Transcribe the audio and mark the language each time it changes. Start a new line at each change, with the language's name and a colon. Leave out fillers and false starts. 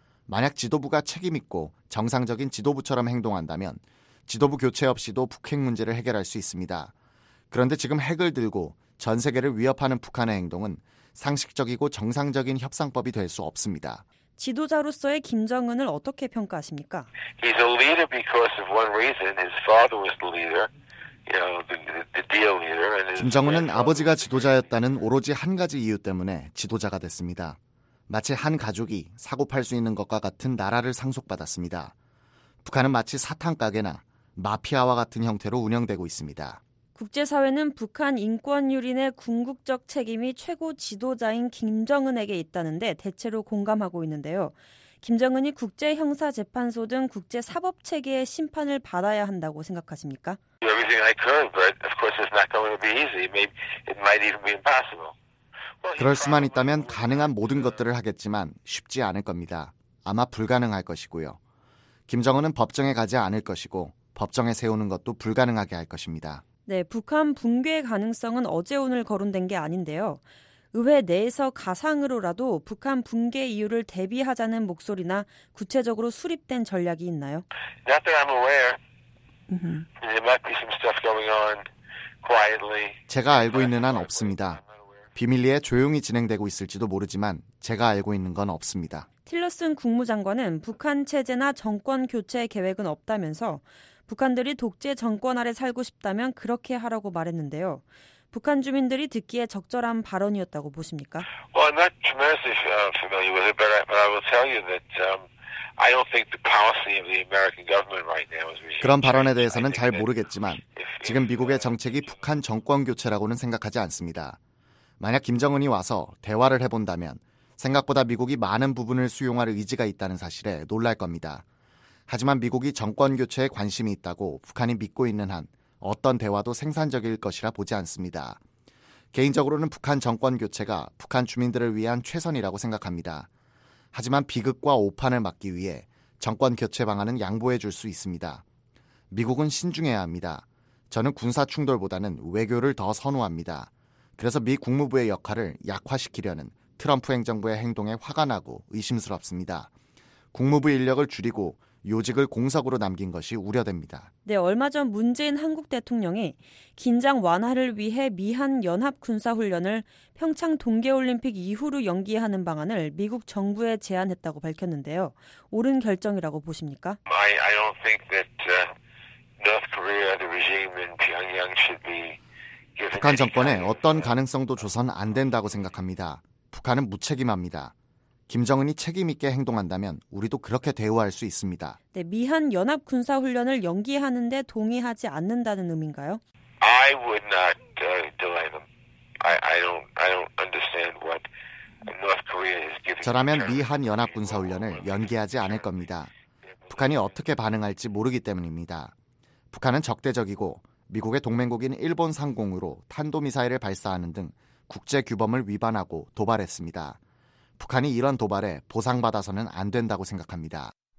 Korean: 만약 지도부가 책임 있고 정상적인 지도부처럼 행동한다면 지도부 교체 없이도 북핵 문제를 해결할 수 있습니다. 그런데 지금 핵을 들고 전 세계를 위협하는 북한의 행동은 상식적이고 정상적인 협상법이 될 수 없습니다. 지도자로서의 김정은을 어떻게 평가하십니까?
English: He's a leader because of one reason. His father was the leader, you know, the deal leader.
Korean: 김정은은 아버지가 지도자였다는 오로지 한 가지 이유 때문에 지도자가 됐습니다. 마치 한 가족이 사고 팔 수 있는 것과 같은 나라를 상속받았습니다. 북한은 마치 사탕 가게나 마피아와 같은 형태로 운영되고 있습니다. 국제사회는 북한 인권유린의 궁극적 책임이 최고 지도자인 김정은에게 있다는데 대체로 공감하고 있는데요. 김정은이 국제형사재판소 등 국제사법체계의 심판을 받아야 한다고 생각하십니까?
English: Everything I could, but of course it's not going to be easy. It might even be impossible.
Korean: 그럴 수만 있다면 가능한 모든 것들을 하겠지만 쉽지 않을 겁니다. 아마 불가능할 것이고요. 김정은은 법정에 가지 않을 것이고 법정에 세우는 것도 불가능하게 할 것입니다. 네, 북한 붕괴 가능성은 어제 오늘 거론된 게 아닌데요. 의회 내에서 가상으로라도 북한 붕괴 이유를 대비하자는 목소리나 구체적으로 수립된 전략이 있나요?
English: Not that I'm aware. There might be some stuff going on quietly.
Korean: 제가 알고 있는 한 없습니다. 비밀리에 조용히 진행되고 있을지도 모르지만 제가 알고 있는 건 없습니다. 틸러슨 국무장관은 북한 체제나 정권 교체 계획은 없다면서 북한들이 독재 정권 아래 살고 싶다면 그렇게 하라고 말했는데요. 북한 주민들이 듣기에 적절한 발언이었다고 보십니까?
English: Well, I'm not tremendously familiar with it, but I will tell you that I don't think the policy of the American government right now is.
Korean: 그런 발언에 대해서는 잘 모르겠지만 지금 미국의 정책이 북한 정권 교체라고는 생각하지 않습니다. 만약 김정은이 와서 대화를 해본다면 생각보다 미국이 많은 부분을 수용할 의지가 있다는 사실에 놀랄 겁니다. 하지만 미국이 정권 교체에 관심이 있다고 북한이 믿고 있는 한 어떤 대화도 생산적일 것이라 보지 않습니다. 개인적으로는 북한 정권 교체가 북한 주민들을 위한 최선이라고 생각합니다. 하지만 비극과 오판을 막기 위해 정권 교체 방안은 양보해 줄 수 있습니다. 미국은 신중해야 합니다. 저는 군사 충돌보다는 외교를 더 선호합니다. 그래서 미 국무부의 역할을 약화시키려는 트럼프 행정부의 행동에 화가 나고 의심스럽습니다. 국무부 인력을 줄이고 요직을 공석으로 남긴 것이 우려됩니다. 네, 얼마 전 문재인 한국 대통령이 긴장 완화를 위해 미한 연합 군사훈련을 평창 동계올림픽 이후로 연기하는 방안을 미국 정부에 제안했다고 밝혔는데요. 옳은 결정이라고 보십니까?
English: I don't think that North Korea, the regime in Pyongyang should be given.
Korean: 북한 정권에 어떤 가능성도 줘선 안 된다고 생각합니다. 북한은 무책임합니다. 김정은이 책임 있게 행동한다면 우리도 그렇게 대우할 수 있습니다. 네, 미한 연합 군사 훈련을 연기하는데 동의하지 않는다는 의미인가요?
English: I would not delay them. I don't understand what North Korea is giving.
Korean: 저라면 미한 연합 군사 훈련을 연기하지 않을 겁니다. 북한이 어떻게 반응할지 모르기 때문입니다. 북한은 적대적이고 미국의 동맹국인 일본 상공으로 탄도 미사일을 발사하는 등 국제 규범을 위반하고 도발했습니다. 북한이 이런 도발에 보상받아서는 안 된다고 생각합니다.